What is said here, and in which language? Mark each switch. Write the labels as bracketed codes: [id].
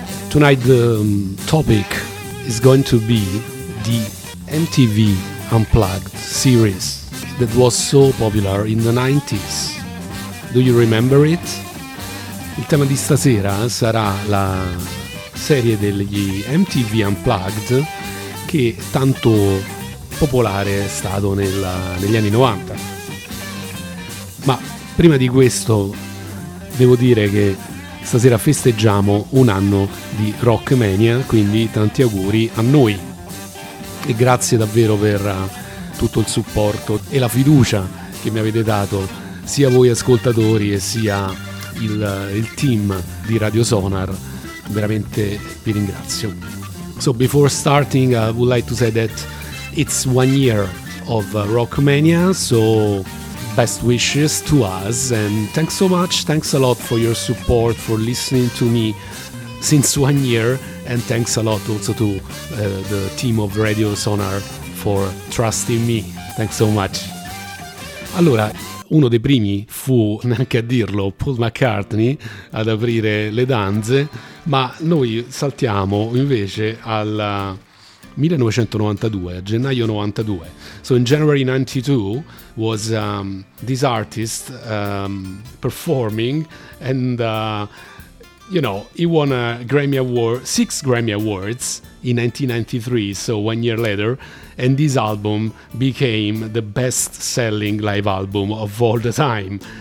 [en] Tonight the topic is going to be the MTV Unplugged series that was so popular in the 90s. Do you remember it? [it] Il tema di stasera sarà la serie degli MTV Unplugged che tanto popolare è stato negli anni 90. Ma prima di questo devo dire che stasera festeggiamo un anno di Rockmania, quindi tanti auguri a noi. E grazie davvero per tutto il supporto e la fiducia che mi avete dato, sia voi ascoltatori e sia il team di Radio Sonar. Veramente vi ringrazio. [en] So before starting, I would like to say that it's 1 year of Rockmania, so best wishes to us and thanks so much, thanks a lot for your support, for listening to me since 1 year. And thanks a lot also to the team of Radio Sonar for trusting me. Thanks so much. [it] Allora, uno dei primi fu, neanche a dirlo, Paul McCartney ad aprire le danze, ma noi saltiamo invece al 1992, a gennaio 92. [en] So in January 92 was this artist performing and you know, he won a Grammy Award, 6 Grammy Awards in 1993, so 1 year later, and this album became the best-selling live album of all the time.